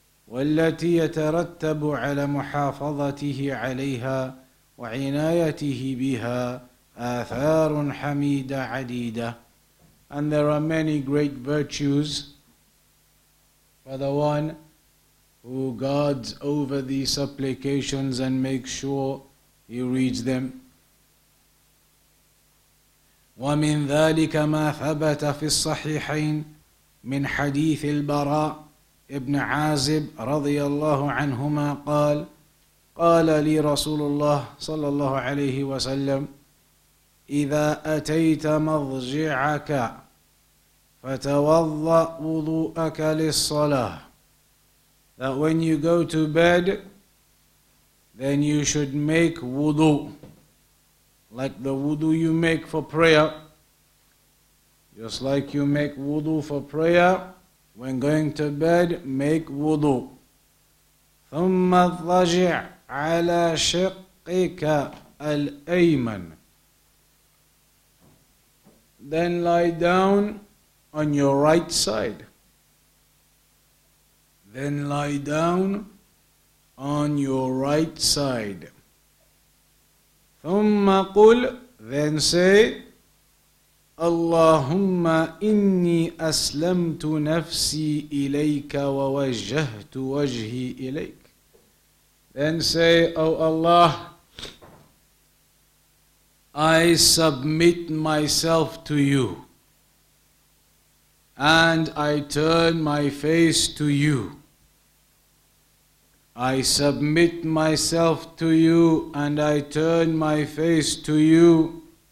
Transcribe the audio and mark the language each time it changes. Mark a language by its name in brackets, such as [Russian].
[Arabic] وَالَّتِي يَتَرَتَّبُ عَلَى مُحَافَظَتِهِ عَلَيْهَا وَعِنَايَتِهِ بِهَا آثَارٌ حَمِيدَةٌ عَدِيدَةٌ. [English] And there are many great virtues for the one who guards over these supplications and makes sure he reads them. [Arabic] وَمِنْ ذَلِكَ مَا ثَبَتَ فِي الصَّحِيحَيْنِ مِنْ حَدِيثِ الْبَرَاءِ ابن عازب رضي الله عنهما قال قال لي رسول الله صلى الله عليه وسلم إذا أتيت مضجعك فتوضأ وضوءك للصلاة. [English] That when you go to bed, then you should make wudu, like the wudu you make for prayer. Just like you make wudu for prayer, when going to bed, make wudu. [Arabic] ثُمَّ اضْطَجِعْ عَلَى شِقِّكَ الْأَيْمَنِ. [English] Then lie down on your right side. Then lie down on your right side. [Arabic] ثُمَّ قُلْ. [English] Then say, [Arabic] اللهم إني أسلمت نفسي إليك ووجهت وجهي إليك. [English] Then say, O Allah, I submit myself to you and I turn my face to you. I submit myself to you and I turn my face to you.